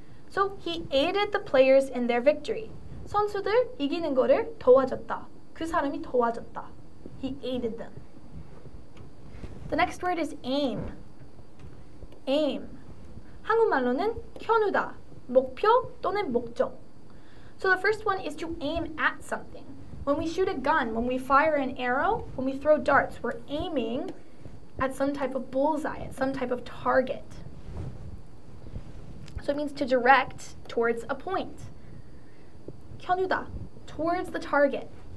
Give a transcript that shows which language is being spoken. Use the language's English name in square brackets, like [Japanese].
[English] So he aided the players in their victory. [Korean] 선수들 이기는 거를 도와줬다. 그 사람이 도와줬다. [English] He aided them. The next word is aim. Aim. [Korean] 한국말로는 겨누다, 목표 또는 목적. [English] So the first one is to aim at something. When we shoot a gun, when we fire an arrow, when we throw darts, we're aiming at some type of bullseye, at some type of target. So it means to direct towards a point. 겨누다, towards the target.